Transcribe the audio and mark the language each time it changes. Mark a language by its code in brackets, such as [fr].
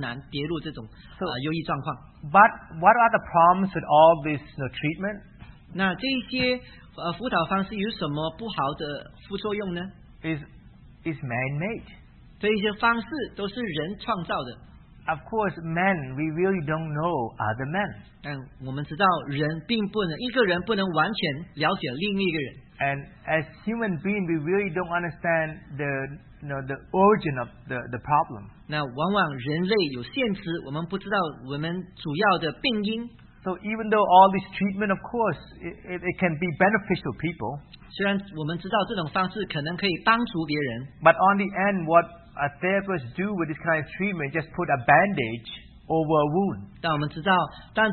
[zh] 因为他们常常跟别人一起交际嘛，因此他们很乐意的跟别人分享他们的心态，因此他们比较难跌入这种忧郁状况。 [en] But what are the problems with all this, you know, treatment? [zh] 那这些 辅导方式有什么不好的副作用呢？ [en] Is man-made. [zh] 这一些方式都是人创造的。 [en] Of course, men, we really don't know other men. [zh] 但我们知道人并不能完全了解另一个人。 [en] And as human beings, we really don't understand the, you know, the origin of the problem. [zh] 那往往人类有限制，我们不知道我们主要的病因。 [en] So even though all this treatment, of course, it can be beneficial to people. [zh] 虽然我们知道这种方式可能可以帮助别人, [en] but on the end, what a therapist do with this kind of treatment, just put a bandage over a wound.